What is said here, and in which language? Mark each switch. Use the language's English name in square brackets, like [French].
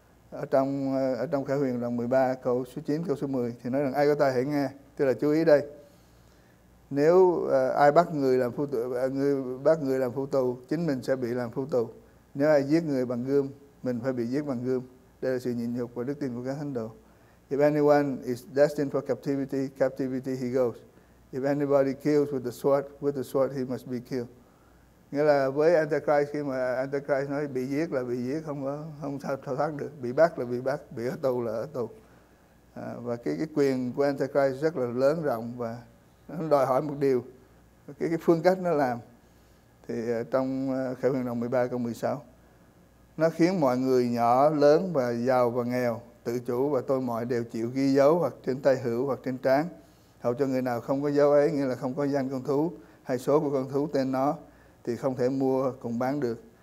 [Vietnamese] Ở trong Khải Huyền đoạn 13 câu số 9 câu số 10 thì nói rằng ai có tai hãy nghe, tức là chú ý đây. Nếu ai bắt người làm phu tù, người bắt người làm phu tù, chính mình sẽ bị làm phu tù. Nếu ai giết người bằng gươm, mình phải bị giết bằng gươm. Đây là sự nhịn nhục và đức tin của các thánh đồ. [English] If anyone is destined for captivity, captivity he goes. If anybody kills with the sword he must be killed. [Vietnamese] Nghĩa là với Antichrist, khi mà Antichrist nói bị giết là bị giết, không sao thoát được, bị bắt là bị bắt, bị ở tù là ở tù. Và cái quyền của Antichrist rất là lớn rộng, và nó đòi hỏi một điều, cái phương cách nó làm. Thì trong Khải Huyền đoạn 13 câu 16, nó khiến mọi người nhỏ, lớn và giàu và nghèo, tự chủ và tôi mọi đều chịu ghi dấu hoặc trên tay hữu hoặc trên trán, hầu cho người nào không có dấu ấy, nghĩa là không có danh con thú hay số của con thú tên nó, thì không thể mua cùng bán được.